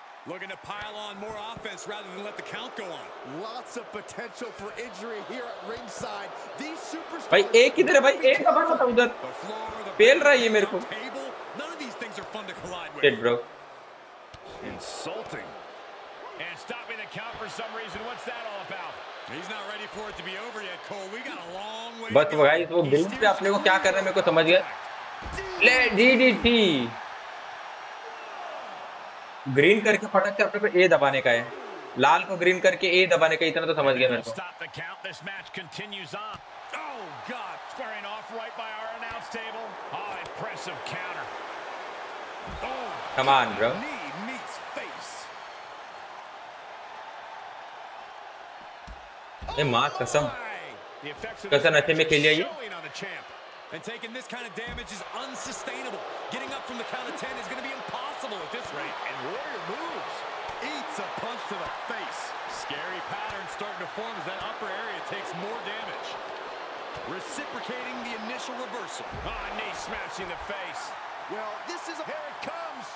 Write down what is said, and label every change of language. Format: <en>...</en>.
<en>Looking to pile on more offense rather than let the count go on. Lots of potential for injury here at ringside. These superstars.</en> <hi>भाई एक इधर है, भाई एक का बात बता उधर. पेल रहा है ये मेरे को.</hi> <en>None of these things are fun to collide with. Shit, bro. Insulting. And stopping the count for some reason. What's that all about? He's not ready for it to be over yet, Cole. We got a long way.</en> <hi>बस वो guys वो build पे अपने को क्या करना है मेरे को समझ गया. ले डीडीटी. ग्रीन करके फटक से अपने को ए दबाने का है, लाल को ग्रीन करके ए दबाने का, इतना तो समझ गया मेरे को।</hi> <en>This match continues on. Oh God, squaring off right by our announce table. Oh, impressive counter. Oh, come on, bro. Knee meets face.</en> <hi>ए मां कसम, कसम ऐसे में खेल लिया ये।</hi> <en>And taking this kind of damage is unsustainable. Getting up from the count of 10 is going to be impossible at this rate. And Warrior moves. Eats a punch to the face. Scary pattern starting to form as that upper area takes more damage. Reciprocating the initial reversal. Ah, knee smashing the face. Well, this is a... Here it comes.</en>